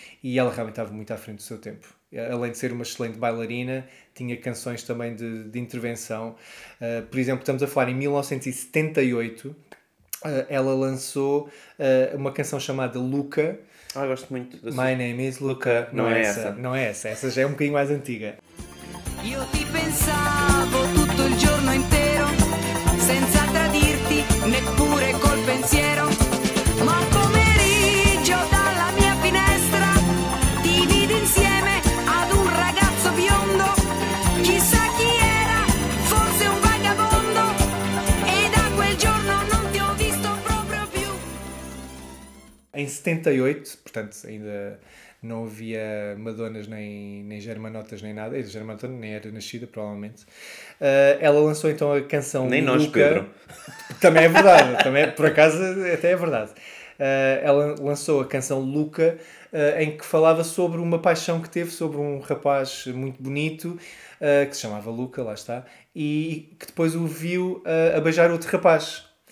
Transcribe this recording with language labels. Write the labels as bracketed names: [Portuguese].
[Portuguese] E ela realmente estava muito à frente do seu tempo. Além de ser uma excelente bailarina, tinha canções também de intervenção. Por exemplo, estamos a falar em 1978, ela lançou uma canção chamada Luca. Ah, eu gosto muito dessa. [English] My name is Luca. [Portuguese] Não é essa. Essa já é um bocadinho mais antiga. [Italian] Io ti pensavo tutto il giorno intero, senza tradirti neppure col pensiero. Ma un pomeriggio dalla mia finestra ti vidi insieme ad un ragazzo biondo. Chissà chi era, forse un vagabondo. E da quel giorno non ti ho visto proprio più. [Portuguese] In 78, portanto, ainda não havia Madonas nem Germanotas nem nada. A Germanota nem era nascida, provavelmente. Ela lançou então a canção Nem Nós, Luca. Pedro. Também é verdade, também é, por acaso até é verdade. Ela lançou a canção Luca, em que falava sobre uma paixão que teve sobre um rapaz muito bonito, que se chamava Luca, lá está, e que depois o viu a beijar outro rapaz.